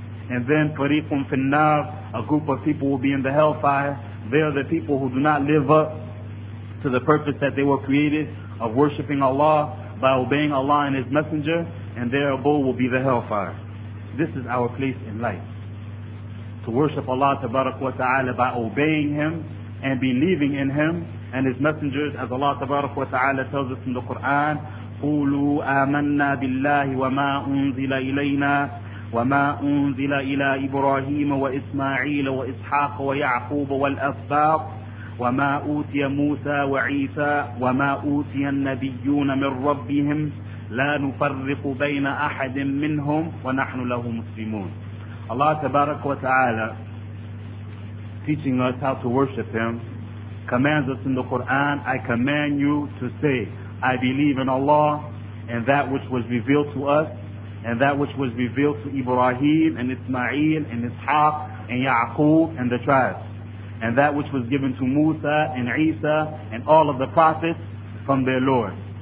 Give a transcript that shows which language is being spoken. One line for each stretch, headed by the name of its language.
English: And then
Arabic: فَرِيقٌ فِي النَّارِ,
English: a group of people will be in the hellfire. They are the people who do not live up to the purpose that they were created of worshipping Allah by obeying Allah and His Messenger, and their abode will be the hellfire. This is our place in life. To worship Allah Tabarak wa Ta'ala by obeying Him and believing in Him and His Messengers, as Allah Tabarak wa Ta'ala tells us in the Quran,
Arabic: قُولُوا آمَنَّا بِاللَّهِ وَمَا أُنزِلَ إِلَيْنَا وَمَا أُنزِلَ إِلَىٰ إِبْرَاهِيمَ وَإِسْمَاعِيلَ وَإِسْحَاقَ وَيَعْقُوبَ وَالْأَسْبَاطِ وَمَا أُوتِيَ مُوسَى وَعِيسَى وَمَا أُوتِيَ النَّبِيُّونَ مِنْ رَبِّهِمْ لَا نُفَرِّقُ بَيْنَ أَحَدٍ مِّنْهُمْ وَنَحْنُ لَهُ مُسْلِمُونَ.
English: Allah Tabarak wa Ta'ala, teaching us how to worship Him, commands us in the Quran, I command you to say, I believe in Allah and that which was revealed to us and that which was revealed to Ibrahim and Ismail and Ishaq and Ya'qub and the tribes, and that which was given to Musa and Isa and all of the prophets from their Lord.